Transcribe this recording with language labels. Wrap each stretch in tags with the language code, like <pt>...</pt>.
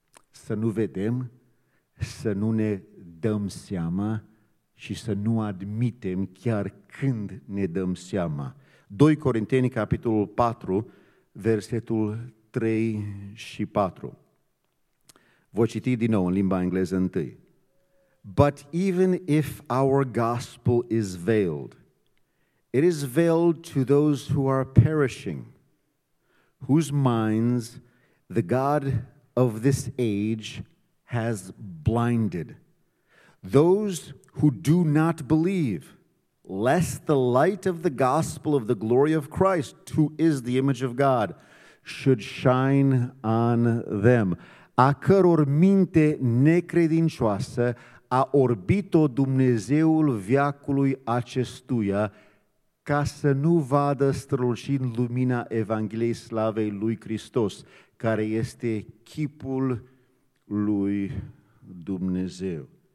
<ro>Să nu vedem, să nu ne dăm seama și să nu admitem chiar când ne dăm seama. 2 Corinteni, capitolul 4, versetul 3 și 4. Voi citi din nou în limba engleză întâi.</ro> <en>But even if our gospel is veiled, it is veiled to those who are perishing, whose minds the God of this age has blinded, those who do not believe, lest the light of the gospel of the glory of Christ, who is the image of God, should shine on them.</en> <ro>A căror minte necredincioasă a orbit-o Dumnezeul veacului acestuia, ca să nu vadă strălucind lumina Evangheliei slavei lui Hristos, care este chipul lui Dumnezeu.</ro>